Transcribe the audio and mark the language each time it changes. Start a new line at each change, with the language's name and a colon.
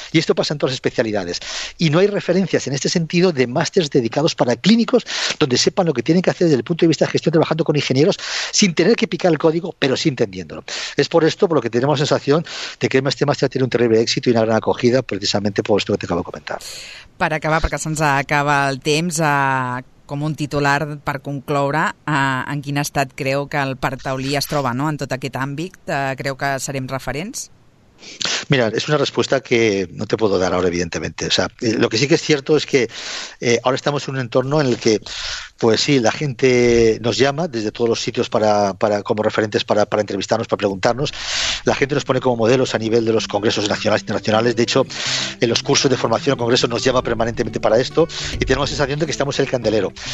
Spanish: Y esto pasa en todas las especialidades. Y no hay referencias en este sentido de másteres dedicados para clínicos donde sepan lo que tienen que hacer desde el punto de vista de gestión trabajando con ingenieros sin tener que picar el código, pero sí entendiéndolo. Es por esto por lo que tenemos la sensación de que este máster tiene un terrible éxito y una gran acogida precisamente por esto que te acabo de comentar.
Catalan: Per acabar, perquè se'ns acaba el temps, com un titular per concloure, en quin estat creu que el Parc Taulí es troba, no? En tot aquest àmbit? Creu que serem referents?
Spanish: Mira, es una respuesta que no te puedo dar ahora, evidentemente. O sea, lo que sí que es cierto es que ahora estamos en un entorno en el que, pues sí, la gente nos llama desde todos los sitios para como referentes para entrevistarnos, para preguntarnos. La gente nos pone como modelos a nivel de los congresos nacionales e internacionales. De hecho, en los cursos de formación o congresos nos llama permanentemente para esto y tenemos la sensación de que estamos en el candelero.